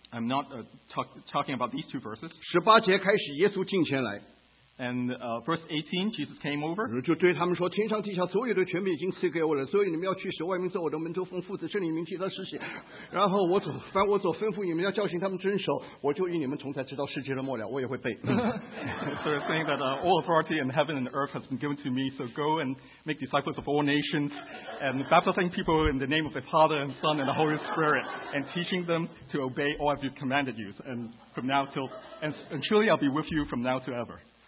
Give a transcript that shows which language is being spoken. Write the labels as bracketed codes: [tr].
[en] I'm not talking about these two verses. [zh] 18节开始耶稣进前来。 [en] And verse 18, Jesus came over. [zh] 就对他们说, 天上地下所有的权柄已经赐给我了,所以你们要去使外面做我的门徒奉父子,圣灵名替他施行。然后我所吩咐你们要教训他们遵守, 我就与你们同在直到世界的末了,我也会背。 [en] So it's saying that all authority in heaven and earth has been given to me, so go and make disciples of all nations, and baptizing people in the name of the Father and Son and the Holy Spirit, and teaching them to obey all I've commanded you. And from now till, and truly I'll be with you from now to ever.